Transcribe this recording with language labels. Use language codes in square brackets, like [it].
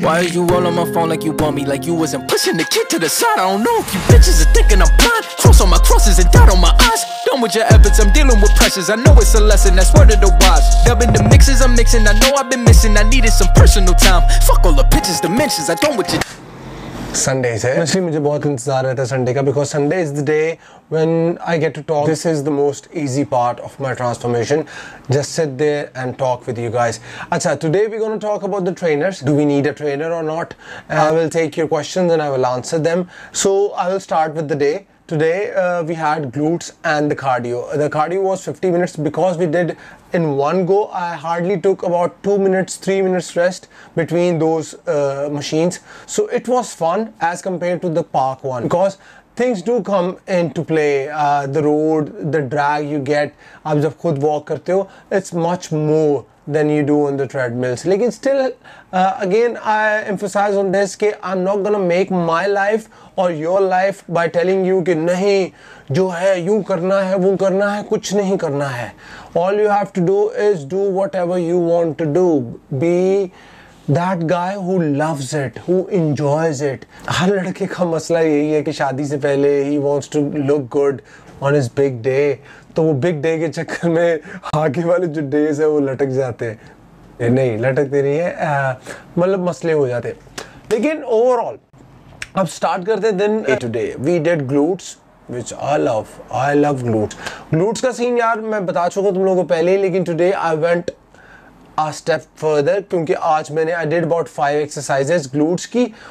[en] Why are you all on my phone like you want me? Like you wasn't pushing the kid to the side. I don't know if you bitches are thinking I'm blind. Cross on my crosses and doubt on my eyes. Done with your efforts, I'm dealing with pressures. I know it's a lesson, that's word of the wise. Dubbing the mixes, I'm mixing. I know I've been missing. I needed some personal time. Fuck all the pictures, dimensions. I done with your. [hi] Sunday से actually मुझे बहुत इंतजार रहता है Sunday का, [en] Because Sunday is the day when I get to talk. This is the most easy part of my transformation, just sit there and talk with you guys. अच्छा today we gonna talk about the trainers. Do we need a trainer or not? I will take your questions and I will answer them. So I will start with the day. Today, we had glutes and the cardio. The cardio was 50 minutes because we did in one go. I hardly took about 2 minutes, 3 minutes rest between those machines. So it was fun as compared to the park one because things do come into play. The road, the drag you get, [hi] aap jab khud walk karte ho, [en] it's much more than you do on the treadmills. Like it's still, again, I emphasize on this, ke I'm not gonna make my life or your life by telling you [hi] ki nahi, jo hai, yun karna hai, [en] woh karna hai, kuch nahi karna hai. All you have to do is do whatever you want to do. Be that guy who loves it, who enjoys it. [hi] Har ladke ka masla yehi hai ki shaadi se pehle [en] he wants to look good on his big day. [hi] तो वो big day के चक्कर में आगे वाले जो days है वो लटक जाते हैं. नहीं लटकते नहीं है, मतलब मसले हो जाते. लेकिन ओवरऑल अब स्टार्ट करते हैं दिन. [en] Today we did glutes which I love glutes. [hi] Glutes का सीन यार मैं बता चुका तुम लोगों को पहले ही, लेकिन [en] today I went a step further [hi] क्योंकि आज मैंने [en] I did about 5 exercises [hi] glutes की.